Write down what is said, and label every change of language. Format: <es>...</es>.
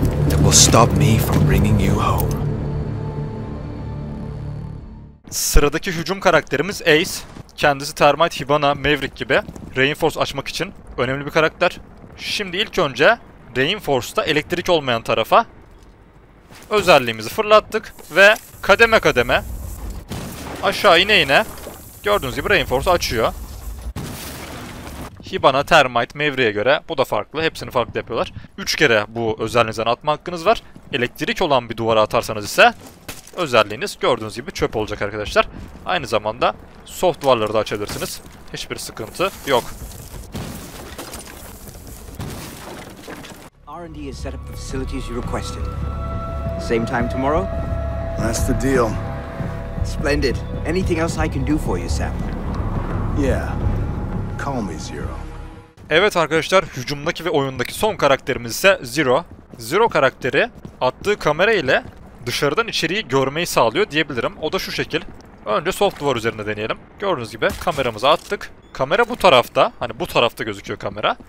<en>That will stop me from bringing you home.</en> <tr>Sıradaki hücum karakterimiz Ace. Kendisi Termite, Hibana, Maverick gibi Rainforce açmak için önemli bir karakter. Şimdi ilk önce Rainforce'da elektrik olmayan tarafa özelliğimizi fırlattık ve kademe kademe aşağı ine ine gördüğünüz gibi Rainforce açıyor. Hibana, Termite, Maverick'e göre bu da farklı. Hepsini farklı yapıyorlar. 3 kere bu özelliğinizden atma hakkınız var. Elektrik olan bir duvara atarsanız ise özelliğiniz gördüğünüz gibi çöp olacak arkadaşlar. Aynı zamanda soft duvarları da açabilirsiniz. Hiçbir sıkıntı yok.</tr> <en>R&D has set up the facilities you requested. Same time tomorrow? That's the deal. Splendid. Anything else I can do for you, Sam? Yeah. Call me Zero.</en> <tr>Evet arkadaşlar, hücumdaki ve oyundaki son karakterimiz ise Zero. Zero karakteri attığı kamera ile dışarıdan içeriği görmeyi sağlıyor diyebilirim. O da şu şekil. Önce soft duvar üzerinde deneyelim. Gördüğünüz gibi kameramızı attık. Kamera bu tarafta. Hani bu tarafta gözüküyor kamera.</tr>